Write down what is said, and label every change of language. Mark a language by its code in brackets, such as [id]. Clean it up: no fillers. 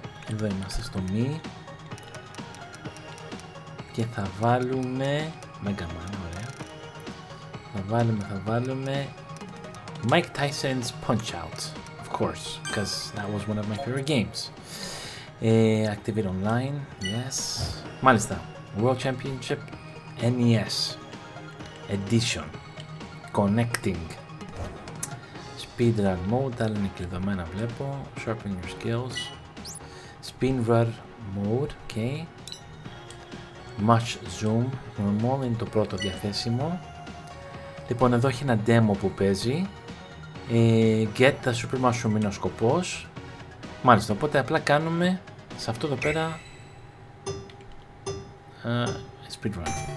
[el] Εδώ είμαστε στο Mi και θα βάλουμε Mega Man, ωραία. Θα βάλουμε [en] Mike Tyson's Punch-Out, of course, because that was one of my favorite games. Activate online, yes. [el] Μάλιστα, World Championship NES Edition Connecting Speedrun Mode, τα άλλα είναι κλειδωμένα, βλέπω. [en] Sharpen your skills. Spin Rudder Mode, OK. [el] Match Zoom Normal είναι το πρώτο διαθέσιμο. Λοιπόν, εδώ έχει ένα demo που παίζει. [en] Get the Super Mushroom [el] είναι ο σκοπός. Μάλιστα, οπότε απλά κάνουμε σε αυτό εδώ πέρα Speed Run.